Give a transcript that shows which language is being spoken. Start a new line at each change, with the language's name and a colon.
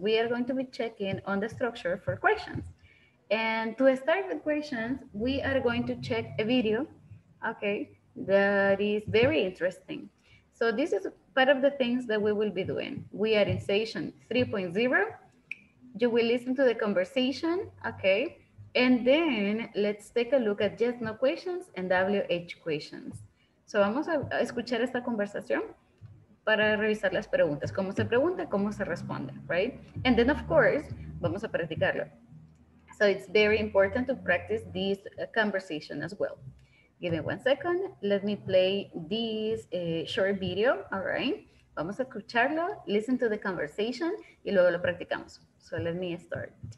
English: We are going to be checking on the structure for questions. And to start with questions, we are going to check a video, okay, that is very interesting. So this is part of the things that we will be doing. We are in session 3.0. You will listen to the conversation, okay? And then let's take a look at yes, no questions and WH questions.
Spanish: So vamos a escuchar esta conversación para revisar las preguntas. ¿Cómo se pregunta? ¿Cómo se responde?
English: Right? And then, of course,
Spanish: vamos a practicarlo.
English: So it's very important to practice this conversation as well. Give me 1 second. Let me play this short video, all right?
Spanish: Vamos a escucharlo,
English: listen to the conversation,
Spanish: y luego lo practicamos.
English: So let me start.